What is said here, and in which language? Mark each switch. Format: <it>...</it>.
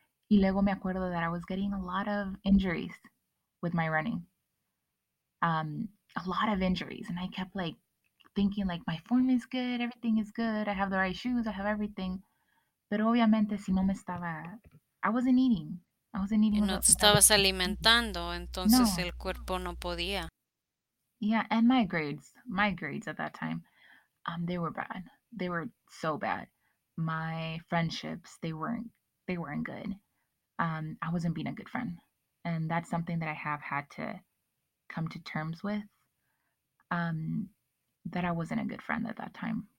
<es>Y luego me acuerdo</es> <en>that I was getting a lot of injuries with my running. A lot of injuries. And I kept like thinking like my form is good, everything is good, I have the right shoes, I have everything. But</en> <es>obviamente si no me estaba,</es> <en>I wasn't eating.</en> <es>No te estabas alimentando, entonces el cuerpo no podía.</es> <en>Yeah, and my grades at that time, they were bad. They were so bad. My friendships, they weren't good. I wasn't being a good friend. And that's something that I have had to come to terms with, that I wasn't a good friend at that time.</en>